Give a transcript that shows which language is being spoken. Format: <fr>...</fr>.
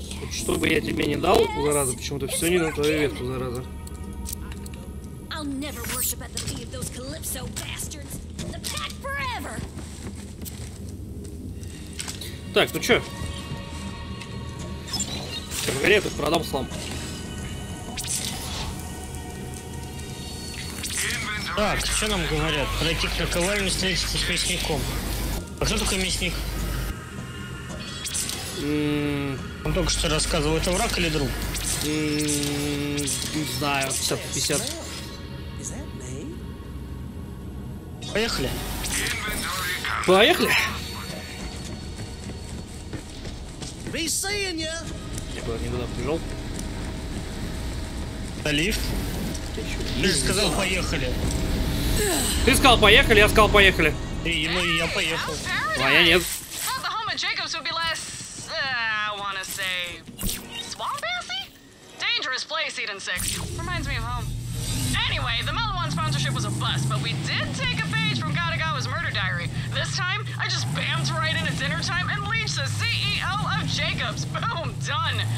<ru>Что бы я тебе не дал, зараза, почему-то все не на твою ветку, зараза.</ru> <en>I'll never worship at the feet of those Calypso bastards. The pack forever!</en> <ru>Так, ну чё? Погоди, я тут продам слом. Так, что нам говорят? Пройти к наковальне, встретиться с мясником. А кто такой мясник? Он только что рассказывал, это враг или друг? Не знаю, 50-50. Поехали. Поехали.</ru> <en>Be seeing ya.</en> <ru>Я куда-то не туда побежал. На лифт? Ты же сказал поехали. Ты сказал поехали, я сказал поехали. И ну и я поехал. А я нет.</ru> <en>Well, the home of Jacobs would be less, I wanna say, swampassy? Dangerous place, Eden 6. Reminds me of home. Anyway, the Mellow One sponsorship was a bust, but we did take a page from Gatagawa's murder diary. This time, I just bammed right in at dinner time and leached the CEO of Jacobs. Boom, done.</en>